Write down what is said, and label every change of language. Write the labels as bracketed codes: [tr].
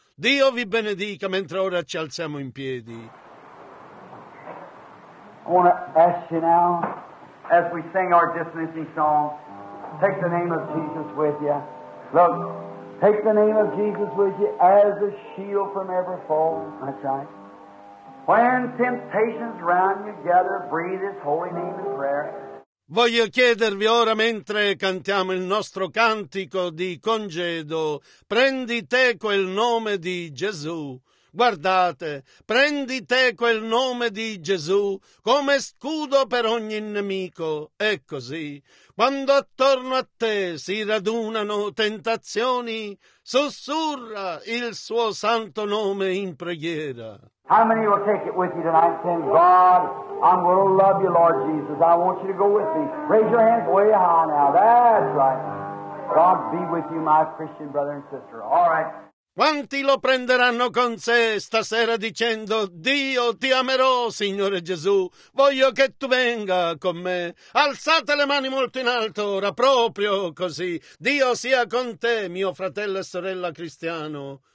[it] Dio vi benedica mentre ora ci alziamo in piedi. [en] I want to ask you now, as we sing our dismissing song, take the name of Jesus with you. Look, take the name of Jesus with you as a shield from every fall. That's right. When temptations round you gather, breathe His holy name in prayer. [it] Voglio chiedervi ora, mentre cantiamo il nostro cantico di congedo, prendi te quel nome di Gesù. Guardate, prendi te quel nome di Gesù come scudo per ogni nemico. È così. Quando attorno a te si radunano tentazioni, sussurra il suo santo nome in preghiera. [en] How many will take it with you tonight? Say, God, I'm going to love you, Lord Jesus. I want you to go with me. Raise your hands way high now. That's right. God be with you, my Christian brother and sister. All right. [it] Quanti lo prenderanno con sé stasera dicendo, Dio ti amerò, Signore Gesù, voglio che tu venga con me. Alzate le mani molto in alto ora, proprio così. Dio sia con te, mio fratello e sorella cristiano.